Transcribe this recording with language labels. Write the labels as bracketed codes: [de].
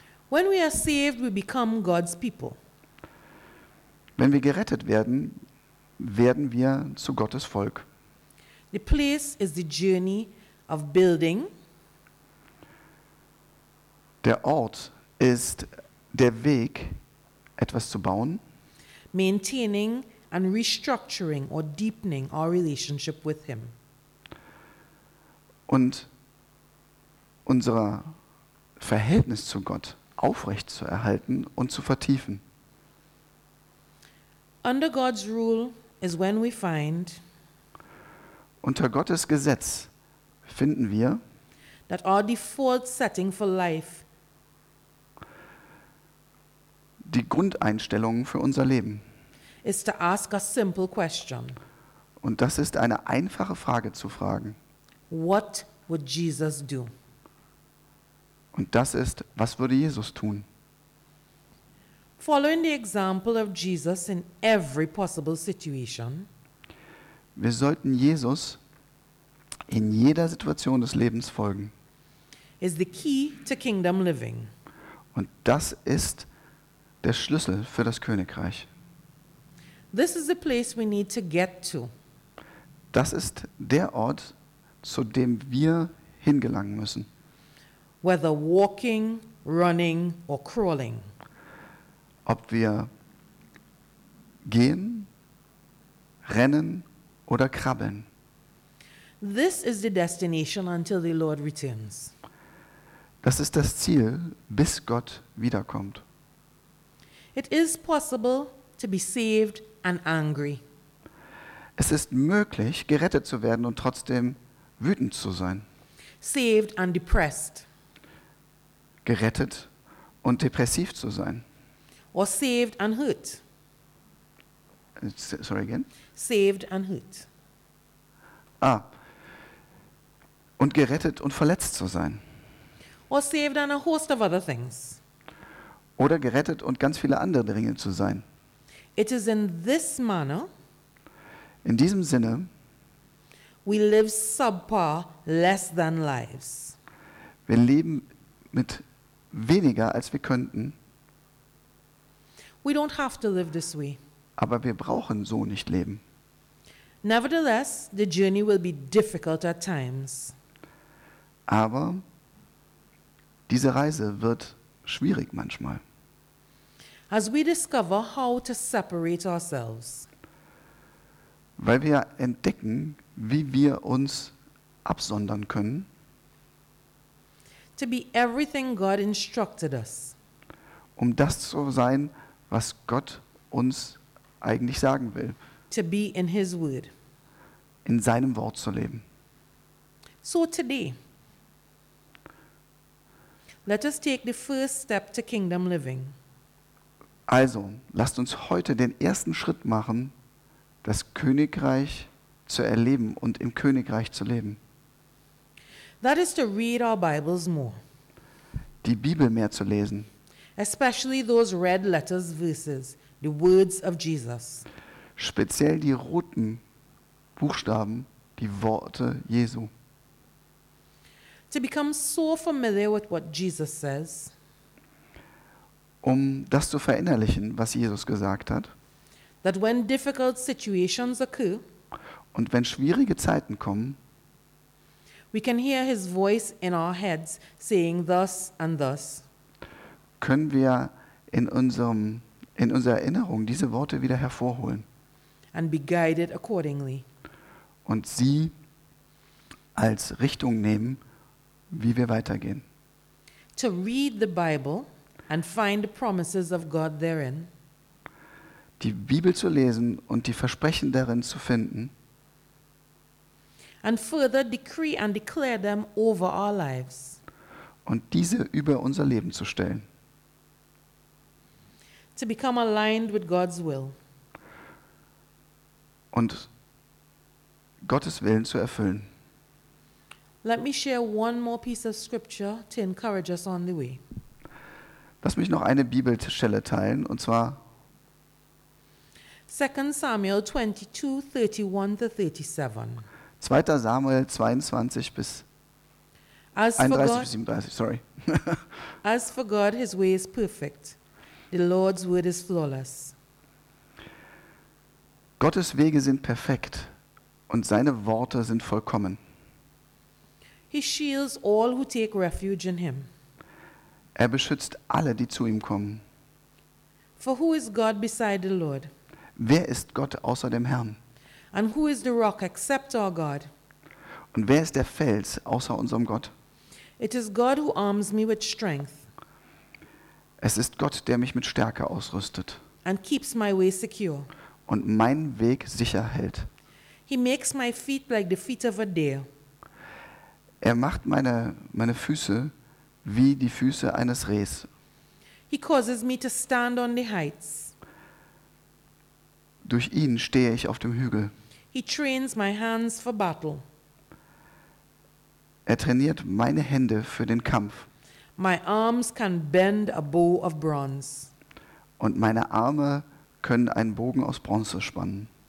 [en] When we are saved, we become God's people. [de] Wenn wir gerettet werden, werden wir zu Gottes Volk. [en] The place is the journey of building. [de] Der Ort ist der Weg, etwas zu bauen. [en] Maintaining and restructuring or deepening our relationship with him. [de] Und unser Verhältnis zu Gott aufrecht zu erhalten und zu vertiefen. [en] Under God's rule is when we find, [de] unter Gottes Gesetz finden wir, [en] that our default setting for life, [de] die Grundeinstellung für unser Leben, [en] is to ask a simple question. [de] Und das ist eine einfache Frage zu fragen. [en] What would Jesus do? [de] Und das ist, was würde Jesus tun? [en] Following the example of Jesus in every possible situation. [de] Wir sollten Jesus in jeder Situation des Lebens folgen. [en] Is the key to kingdom living. [de] Und das ist der Schlüssel für das Königreich. [en] This is the place we need to get to. [de] Das ist der Ort, zu dem wir hingelangen müssen. [en] Whether walking, running or crawling. [de] Ob wir gehen, rennen oder krabbeln. [en] This is the destination until the Lord returns. [de] Das ist das Ziel, bis Gott wiederkommt. [en] It is possible to be saved and angry. [de] Es ist möglich, gerettet zu werden und trotzdem wütend zu sein. [en] Saved and depressed. [de] Gerettet und depressiv zu sein. [en] Or saved and hurt. Sorry again. Saved and hurt. Ah. [de] Und gerettet und verletzt zu sein. [en] Or saved and a host of other things. [de] Oder gerettet und ganz viele andere Dinge zu sein. [en] It is in this manner. [de] In diesem Sinne. [en] We live subpar, less than lives. [de] Wir leben mit weniger als wir könnten. [en] We don't have to live this way. [de] Aber wir brauchen so nicht leben. [en] Nevertheless, the journey will be difficult at times. [de] Aber diese Reise wird schwierig manchmal. [en] As we discover how to separate ourselves. [de] Weil wir entdecken, wie wir uns absondern können. [en] To be everything God instructed us. [de] Um das zu sein, was Gott uns eigentlich sagen will. [en] To be in his word. [de] In seinem Wort zu leben. [en] So today, let us take the first step to kingdom living. [de] Also, lasst uns heute den ersten Schritt machen, das Königreich zu erleben und im Königreich zu leben. [en] That is to read our Bibles more. [de] Die Bibel mehr zu lesen. [en] Especially those red letters verses, the words of Jesus. [de] Speziell die roten Buchstaben, die Worte Jesu. [en] To become so familiar with what Jesus says. [de] Um das zu verinnerlichen, was Jesus gesagt hat. [en] That when difficult situations occur. [de] Und wenn schwierige Zeiten kommen. [en] We can hear his voice in our heads saying thus and thus. [de] Können wir in unserer Erinnerung diese Worte wieder hervorholen. [en] And be guided accordingly. [de] Und sie als Richtung nehmen, wie wir weitergehen. [en] To read the Bible and find the promises of God therein. [de] Die Bibel zu lesen und die Versprechen darin zu finden. [en] And further decree and declare them over our lives. [de] Und diese über unser Leben zu stellen. [en] To become aligned with God's will. [de] Und Gottes Willen zu erfüllen. [en] Let me share one more piece of scripture to encourage us on the way. [de] Lass mich noch eine Bibelstelle teilen, und zwar [en] 2. Samuel 22, 31-37. [de] 2. Samuel 22 bis 31-37. [en] As for God, his way is perfect. The Lord's word is flawless. [de] Gottes Wege sind perfekt und seine Worte sind vollkommen. [en] He shields all who take refuge in him. [de] Er beschützt alle, die zu ihm kommen. [en] For who is God beside the Lord? [de] Wer ist Gott außer dem Herrn? [en] And who is the rock except our God? [de] Und wer ist der Fels außer unserem Gott? [en] It is God who arms me with strength. [de] Es ist Gott, der mich mit Stärke ausrüstet. [en] And keeps my way secure. [de] Und meinen Weg sicher hält. [en] He makes my feet like the feet of a deer. [de] Er macht meine Füße wie die Füße eines Rehs. [en] He causes me to stand on the heights. [de] Durch ihn stehe ich auf dem Hügel. [en] He trains my hands for battle. [de] Er trainiert meine Hände für den Kampf. [en] My arms can bend a bow of bronze. [de] Und meine Arme können einen Bogen aus Bronze spannen.